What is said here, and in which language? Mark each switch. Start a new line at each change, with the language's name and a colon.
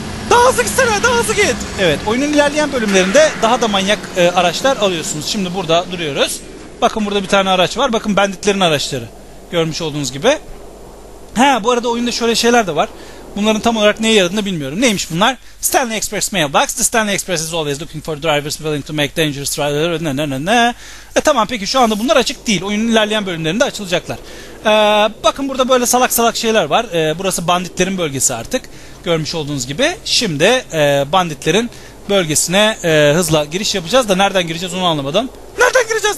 Turkish: Daha hızlı gitsene, daha hızlı git. Evet, oyunun ilerleyen bölümlerinde daha da manyak araçlar alıyorsunuz. Şimdi burada duruyoruz. Bakın burada bir tane araç var. Bakın banditlerin araçları. Görmüş olduğunuz gibi. Ha, bu arada oyunda şöyle şeyler de var. Bunların tam olarak neye yaradığını bilmiyorum. Neymiş bunlar? Stanley Express Mailbox.
English: The Stanley Express is always looking for drivers willing to make dangerous drivers.
Turkish: Tamam, peki şu anda bunlar açık değil. Oyunun ilerleyen bölümlerinde açılacaklar. Bakın burada böyle salak salak şeyler var. Burası banditlerin bölgesi artık. Görmüş olduğunuz gibi. Şimdi banditlerin bölgesine hızla giriş yapacağız da nereden gireceğiz onu anlamadım. Nereden gireceğiz?